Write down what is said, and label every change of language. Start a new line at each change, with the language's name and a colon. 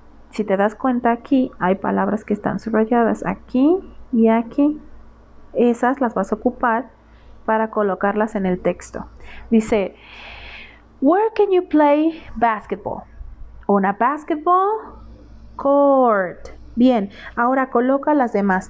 Spanish: Si te das cuenta aquí, hay palabras que están subrayadas aquí y aquí. Esas las vas a ocupar para colocarlas en el texto. Dice,
English: Where can you play basketball? On a basketball court.
Spanish: Bien, ahora coloca las demás.